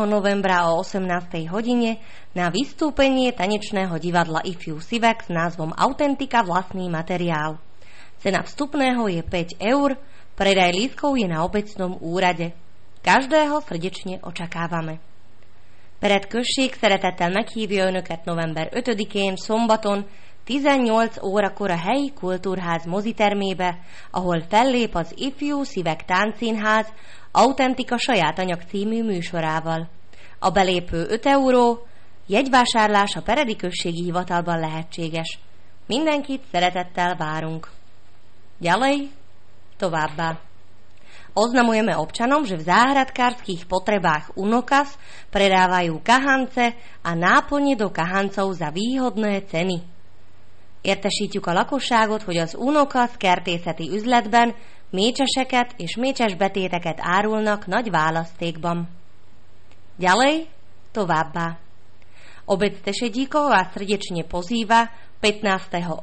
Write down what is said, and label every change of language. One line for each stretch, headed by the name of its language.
Slovak: novembra o 18. hodine na vystúpenie tanečného divadla IFU Sivak s názvom Autentika vlastný materiál. Cena vstupného je 5 eur, predaj lístkov je na obecnom úrade. Každého srdečne očakávame.
Hungarian: Pred Kösség szeretettel meghívja önöket november 5-én szombaton 18 órakor a helyi kultúrház mozitermébe, ahol fellép az IFU Sivak Táncszínház Autentika saját anyag című műsorával. A belépő 5 euró, jegyvásárlás a peredi községi hivatalban lehetséges. Mindenkit szeretettel várunk.
Slovak: Ďalej,
Hungarian: továbbá.
Slovak: Oznamujeme občanom, že v záhradkárskych potrebách Unokas predávajú kahance a náplne do kahancov za výhodné ceny.
Hungarian: Értesítjük a lakosságot, hogy az Unokas kertészeti üzletben mécseseket és mécsesbetéteket árulnak nagy választékban.
Slovak: Ďalej,
Hungarian: továbbá.
Slovak: Obec Tešedíkovo vás srdečne pozýva 15.